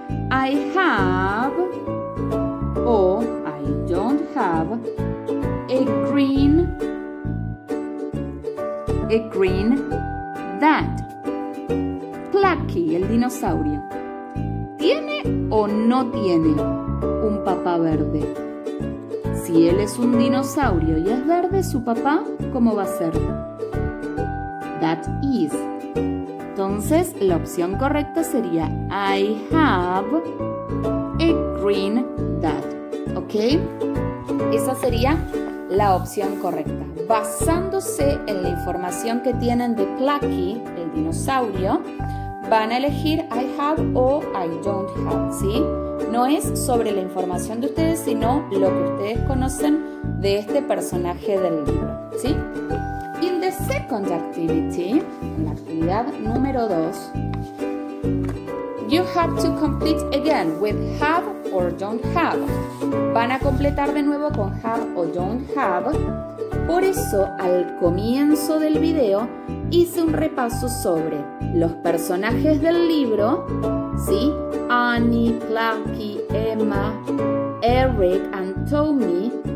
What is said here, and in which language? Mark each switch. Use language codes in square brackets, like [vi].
[en] I have, o I don't have, a green dad. [es] Plucky, el dinosaurio, ¿tiene o no tiene un papá verde? Si él es un dinosaurio y es verde, ¿su papá cómo va a ser? [en] That is. [es] Entonces, la opción correcta sería [en] I have a green dad. [es] ¿Ok? Esa sería la opción correcta. Basándose en la información que tienen de Plucky, el dinosaurio, van a elegir I have o I don't have, ¿sí? No es sobre la información de ustedes, sino lo que ustedes conocen de este personaje del libro, ¿sí? [en] In the second activity, [es] en la actividad número 2, [en] you have to complete again with have or don't have. [es] Van a completar de nuevo con have o don't have. Por eso, al comienzo del video, hice un repaso sobre los personajes del libro, ¿sí? Annie, Plucky, Emma, Eric and Tommy.